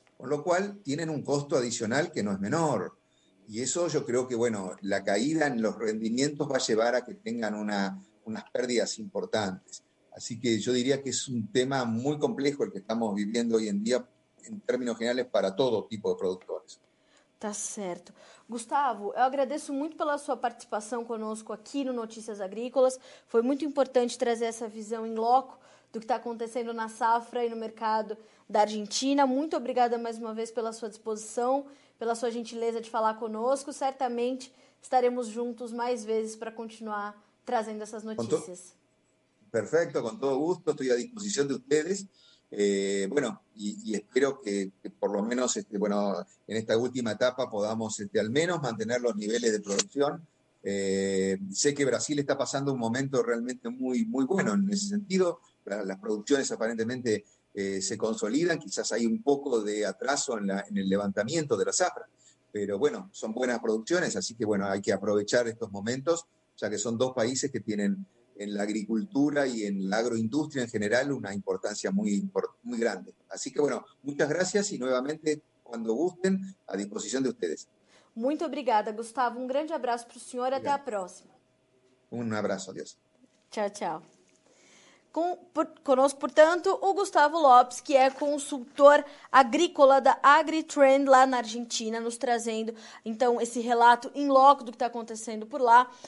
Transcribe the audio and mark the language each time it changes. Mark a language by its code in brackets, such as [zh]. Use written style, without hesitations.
[es] con lo cual tienen un costo adicional que no es menor. Y eso yo creo que, bueno, la caída en los rendimientos va a llevar a que tengan unas pérdidas importantes. Así que yo diría que es un tema muy complejo el que estamos viviendo hoy en día, en términos generales, para todo tipo de productores. [pt] Tá certo. Gustavo, eu agradeço muito pela sua participação conosco aqui no Notícias Agrícolas. Foi muito importante trazer essa visão in loco do que está acontecendo na safra e no mercado da Argentina. Muito obrigada mais uma vez pela sua disposição, pela sua gentileza de falar conosco. Certamente estaremos juntos mais vezes para continuar trazendo essas notícias. Perfeito, com todo gosto. Estou à disposição de vocês. [es] Y espero que por lo menos en esta última etapa podamos al menos mantener los niveles de producción. Sé que Brasil está pasando un momento realmente muy, muy bueno en ese sentido. Las producciones aparentemente se consolidan, quizás hay un poco de atraso en el levantamiento de la safra, pero bueno, son buenas producciones, así que bueno, hay que aprovechar estos momentos, ya que son dos países que tienen en la agricultura y en la agroindustria en general una importancia muy, muy grande. Así que bueno, muchas gracias y nuevamente, cuando gusten, a disposición de ustedes. [pt] Muito obrigada, Gustavo. Um grande abraço para o senhor. Obrigado. Até a próxima. Um abraço, adeus. Tchau, tchau. Conosco, portanto, o Gustavo Lopes, que é consultor agrícola da AgriTrend lá na Argentina, nos trazendo, então, esse relato in loco do que está acontecendo por lá.